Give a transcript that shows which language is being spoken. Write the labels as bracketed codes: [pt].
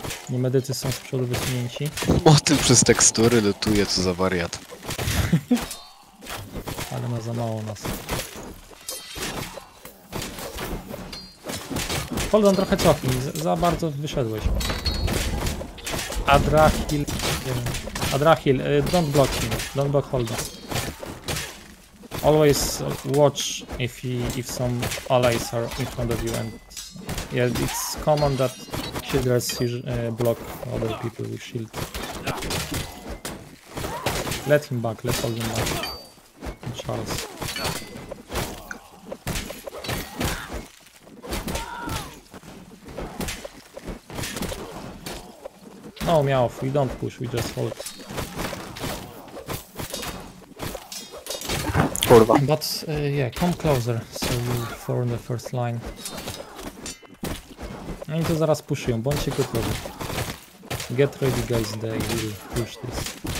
[pl] Nie, medycy są z przodu wysunięci. Motyl przez tekstury lutuje, co za wariat. Ale ma za mało nas. Holden, trochę cofnij, za bardzo wyszedłeś. Adrahil, nie wiem. [en] Adrahil, don't block him, don't block Holden. Always watch if some allies are in front of you, and yeah, it's common that shielders block other people with shield. Let him back, let hold him back. And Charles. No, Miałow, we don't push, we just hold. But yeah, come closer, so you form the first line. [pl] No i to zaraz pushują, bądźcie gotowi. [en] Get ready guys, they will push this.